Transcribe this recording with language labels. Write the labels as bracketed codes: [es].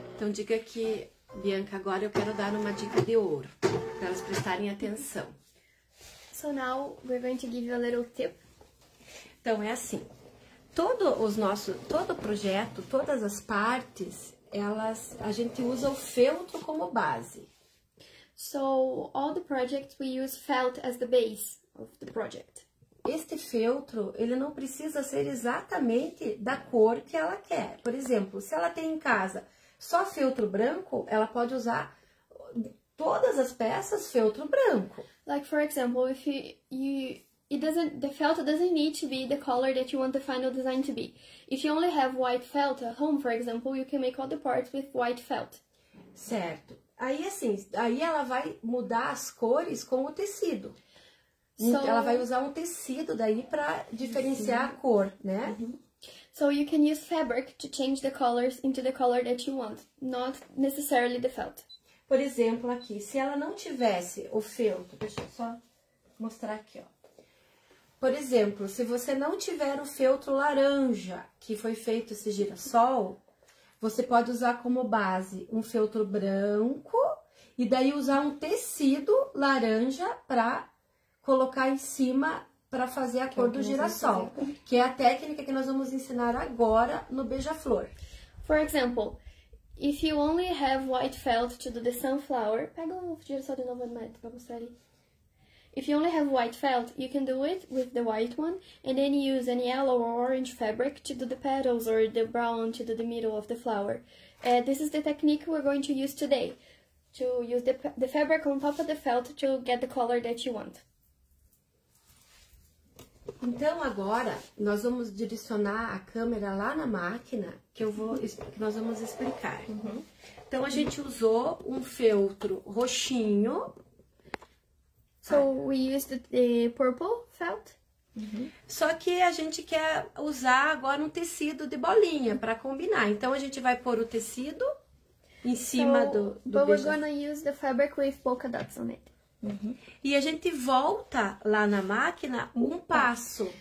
[pt] Dica que, Bianca, agora eu quero dar uma dica de ouro, para elas prestarem atenção. [en] So now, we're going to give you a little tip. [pt] Então, é assim, todo projeto, todas as partes, a gente usa o feltro como base. [en] So, all the projects, we use felt as the base of the project. [pt] Este feltro, ele não precisa ser exatamente da cor que ela quer. Por exemplo, se ela tem em casa só feltro branco, ela pode usar todas as peças feltro branco. [en] Like, for example, if the felt doesn't need to be the color that you want the final design to be. If you only have white felt at home, for example, you can make all the parts with white felt. [pt] Certo. Aí, assim, aí ela vai mudar as cores com o tecido. So, ela vai usar um tecido daí para diferenciar a cor, né? Uhum. [en] So you can use fabric to change the colors into the color that you want, not necessarily the felt. [pt] Por exemplo, aqui, se ela não tivesse o feltro, deixa eu só mostrar aqui, ó. Por exemplo, se você não tiver o feltro laranja, que foi feito esse girassol, você pode usar como base um feltro branco e daí usar um tecido laranja para colocar em cima para fazer a cor do girassol, que é a técnica que nós vamos ensinar agora no beija-flor. [en] For example, if you only have white felt to do the sunflower, [pt] pega o girassol de novo, Matt, pra mostrar ali. [en] If you only have white felt, you can do it with the white one, and then use an yellow or orange fabric to do the petals, or the brown to do the middle of the flower. This is the technique we're going to use today, to use the fabric on top of the felt to get the color that you want. [pt] Então, agora, nós vamos direcionar a câmera lá na máquina, que nós vamos explicar. Uhum. Então, a gente usou um feltro roxinho. [en] So, we used the purple felt. Uhum. [pt] Só que a gente quer usar agora um tecido de bolinha para combinar. Então, a gente vai pôr o tecido em cima do beijo. [en] But we're gonna use the fabric with polka dots on it. Uhum. [pt] E a gente volta lá na máquina um passo.